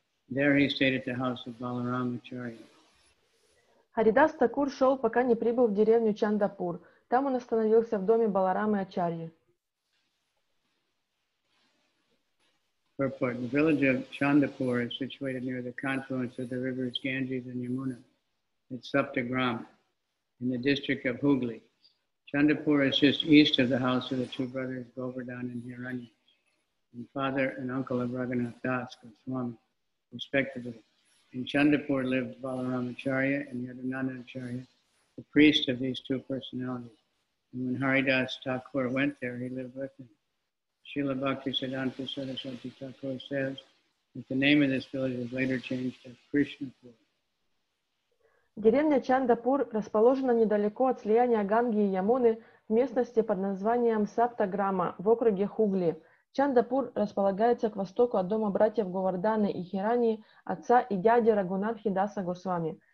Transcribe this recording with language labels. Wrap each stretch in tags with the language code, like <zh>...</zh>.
<en>There he stayed at the house of Balarama Acharya.</en> <ru>Haridāsa Ṭhākura шел, пока не прибыл в деревню Чандапур. Там он остановился в доме Баларамы Ачарьи.</ru> <en>The village of Chandapur is situated near the confluence of the rivers Ganges and Yamuna at Saptagram in the district of Hooghly. Chandapur is just east of the house of the two brothers Govardhan and Hiranya, and father and uncle of Raghunath Das and Swami, respectively. In Chandapur lived Balaramacharya and Yadunandacharya, the priest of these two personalities. And when Haridāsa Ṭhākura went there, he lived with him. Śrīla Bhakti Siddhānta Saraswati Thakura says that the name of this village was later changed to Krishnapur.</en> <ru>Деревня Чандапур расположена недалеко от слияния Ганги и Ямуны в местности под названием Саптаграма в округе Хугли. Чандапур располагается к востоку от дома братьев Говарданы и Хирани, отца и дяди Рагунатхи Даса Госвами.</ru>